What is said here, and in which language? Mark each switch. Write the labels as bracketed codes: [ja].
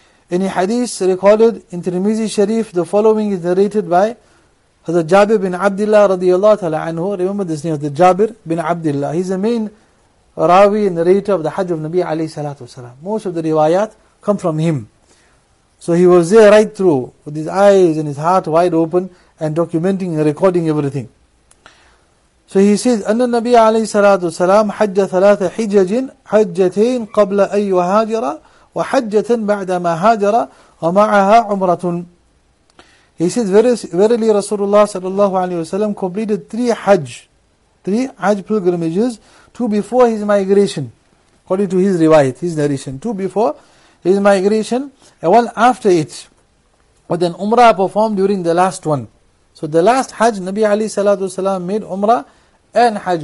[en] In a hadith recorded in Tirmizi Sharif, the following is narrated by Hazrat Jabir bin Abdullah radiallahu ta'ala anhu. Remember this name, Hazrat Jabir bin Abdullah. He's the main Rawi and narrator of the Hajj of Nabi alayhi salatu wasalam. Most of the riwayat come from him. So he was there right through, with his eyes and his heart wide open, and documenting and recording everything. So he says, [ar] أن النبي عليه الصلاة والسلام حج ثلاثة حجج حجتين قبل أن يهاجر وحجة بعدما هاجر ومعها عمرة. [en] He says, verily Rasulullah [ar] صلى الله عليه وسلم [en] completed three Hajj pilgrimages, two before his migration, according to his riwayat, his narration, two before his migration, and one after it. But then Umrah performed during the last one. So the last Hajj, Nabi alayhi salatu wasalam made Umrah and Hajj.